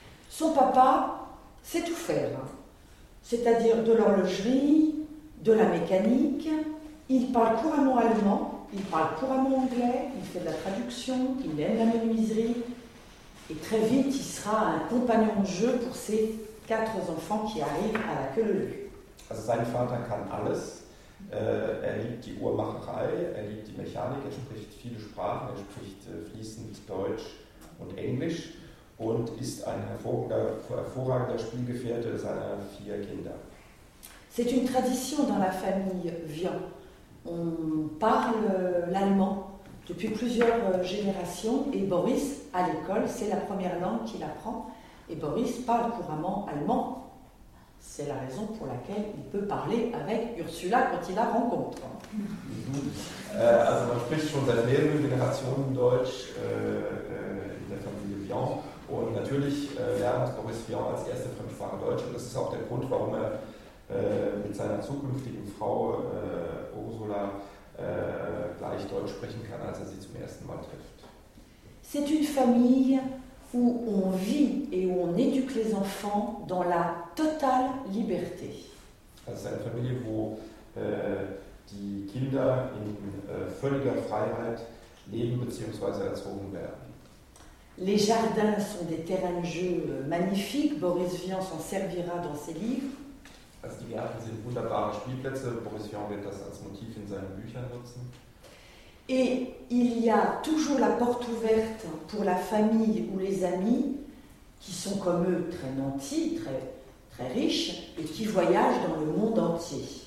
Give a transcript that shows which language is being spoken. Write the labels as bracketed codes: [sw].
[fr] Son papa sait tout faire, c'est-à-dire de l'horlogerie, de la mécanique. Il parle couramment allemand, il parle couramment anglais, il fait de la traduction, il aime la menuiserie. Et très vite, il sera un compagnon de jeu pour ses quatre enfants qui arrivent à la queue leu leu. [de] Also sein Vater kann alles. Er liebt die Uhrmacherei, er liebt die Mechanik, er spricht viele Sprachen, er spricht fließend Deutsch und Englisch. Und ist ein hervorragender Spielgefährte seiner vier Kinder. [fr] C'est une tradition dans la famille Vian. On parle l'allemand depuis plusieurs générations et Boris, à l'école, c'est la première langue qu'il apprend. Et Boris parle couramment allemand. C'est la raison pour laquelle il peut parler avec Ursula quand il la rencontre. [de] Also man spricht schon seit mehreren Generationen Deutsch in der Familie Vian. Und natürlich lernt Boris Vian als erste Fremdsprache Deutsch. Und das ist auch der Grund, warum er mit seiner zukünftigen Frau Ursula gleich Deutsch sprechen kann, als er sie zum ersten Mal trifft. [fr] C'est une famille où on vit et où on éduque les enfants dans la totale liberté. [de] Das ist eine Familie, wo die Kinder in völliger Freiheit leben bzw. erzogen werden. [fr] Les jardins sont des terrains de jeu magnifiques. Boris Vian s'en servira dans ses livres. [de] Also die Gärten sind wunderbare Spielplätze. Boris Vian wird das als Motiv in seinen Büchern nutzen. [fr] Et il y a toujours la porte ouverte pour la famille ou les amis qui sont comme eux très nantis, très riches et qui voyagent dans le monde entier.